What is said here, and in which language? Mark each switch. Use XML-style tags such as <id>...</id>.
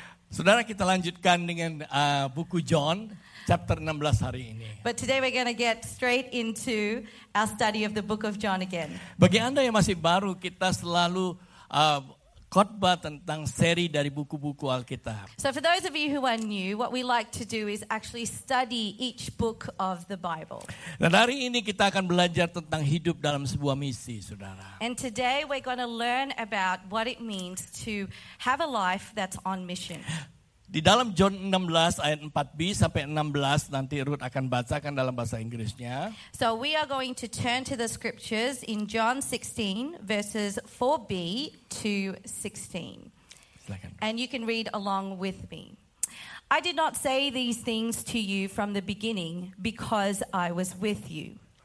<id>saudara, kita lanjutkan dengan buku John, chapter 16 hari ini.</id> <en>But today we're going to get straight into our study of the book of John again.</en> <id>Bagi Anda yang masih baru, kita selalu khotbah tentang seri dari buku-buku Alkitab.</id> <en>So for those of you who are new, what we like to do is actually study each book of the Bible.</en> <id>Dan hari ini kita akan belajar tentang hidup dalam sebuah misi, saudara.</id> <en>And today we're going to learn about what it means to have a life that's on mission.</en> <id>Di dalam John 16 ayat 4b sampai 16 nanti Ruth akan bacakan dalam bahasa Inggrisnya.</id> <en>So we are going to turn to the scriptures in John 16 verses 4b to 16.</en> <id>Silakan.</id> <en>And you can read along with me. I did not say these things to you from the beginning because I was with you.</en>